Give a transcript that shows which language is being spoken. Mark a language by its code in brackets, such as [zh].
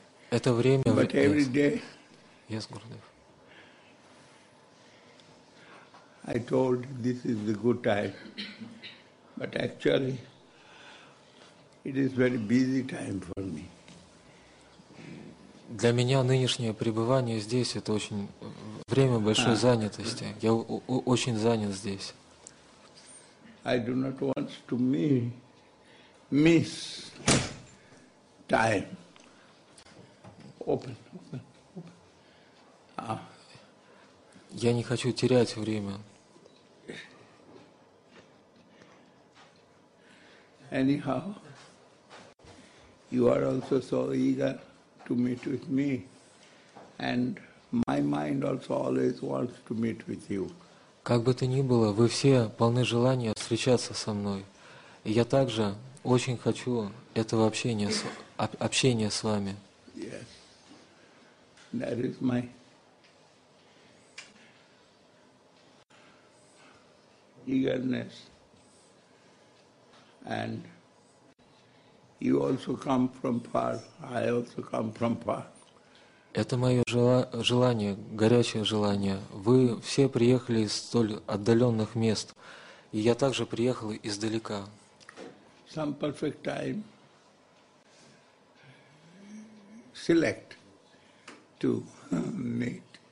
[ru] Это время. [en] But every day. Yes, Gurudev. I told this is the good time, but actually it is very busy time for me. [ru] Для меня нынешнее пребывание здесь это очень время большой занятости. Я очень занят здесь. [en] I do not want to miss time. Open. [ru] Я не хочу терять время. [en] Anyhow, you are also so eager to meet with me, and my mind also always wants to meet with you. [ru] Как бы то ни было, вы все полны желания встречаться со мной. И я также очень хочу этого общения с вами. [en] Yes. That is my... eagerness. And you also come from far. I also come from far. [ru] Это мое желание, горячее желание. Вы все приехали из столь отдаленных мест, и я также приехал издалека. [en] Some perfect time select to meet.